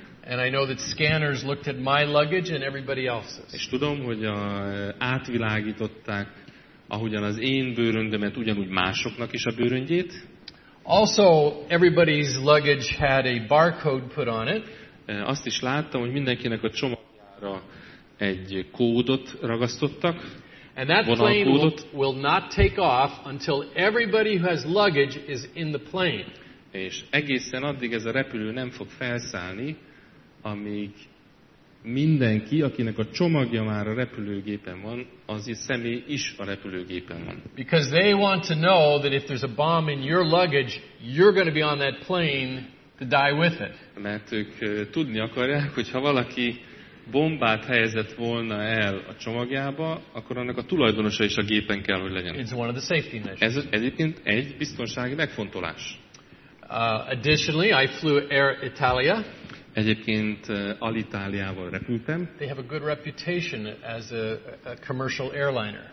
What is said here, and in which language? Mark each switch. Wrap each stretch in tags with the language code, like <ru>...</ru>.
<en>And I know that scanners looked at my luggage and everybody else's.</en> <hu>És tudom, hogy átvilágították, ahogyan az én bőröndömet, ugyanúgy másoknak is a bőröndjét.</hu> <en>Also, everybody's luggage had a barcode put on it.</en> <hu>Azt is láttam, hogy mindenkinek a csomagjára egy kódot ragasztottak.</hu> <en>And that plane will not take off until everybody who has luggage is in the plane.</en> <hu>És egészen addig ez a repülő nem fog felszállni, amíg mindenki, akinek a csomagja már a repülőgépen van, az is személy is a repülőgépen van.</hu> <en>Because they want to know that if there's a bomb in your luggage, you're going to be on that plane to die with it.</en> <hu>Mert ők tudni akarják, hogy ha valaki bombát helyezett volna el a csomagjába, akkor annak a tulajdonosa is a gépen kell, hogy legyen.</hu> <en>It's one of the safety measures.</en> <hu>Ez egyébként egy biztonsági megfontolás.</hu> <en>Additionally, I flew Air Italia.</en> <hu>Egyébként Alitaliával repültem.</hu> <en>They have a good reputation as a commercial airliner.</en>